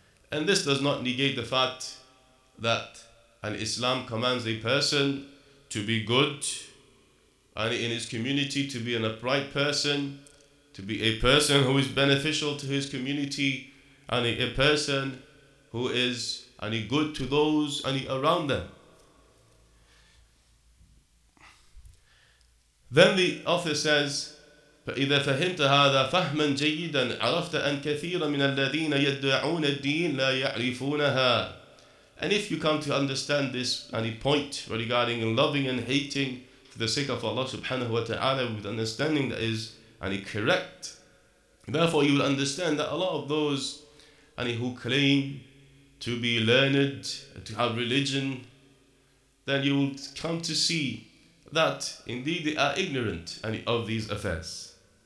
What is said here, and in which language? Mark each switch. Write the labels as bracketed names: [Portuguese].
[English] And this does not negate the fact that Al-Islam commands a person to be good and in his community, to be an upright person, to be a person who is beneficial to his community, and a person who is and good to those and around them. Then the author says, [Arabic] فَإِذَا فَهِمْتَ هَذَا فَهْمًا جَيِّدًا عَرَفْتَ أَنْ كَثِيرًا مِنَ الَّذِينَ يَدْعُونَ الدِّينَ لَا يَعْرِفُونَهَا. [English] And if you come to understand this any point regarding loving and hating for the sake of Allah subhanahu wa ta'ala with understanding that is any correct, therefore you will understand that a lot of those any who claim to be learned, to have religion, then you will come to see that indeed they are ignorant any of these affairs.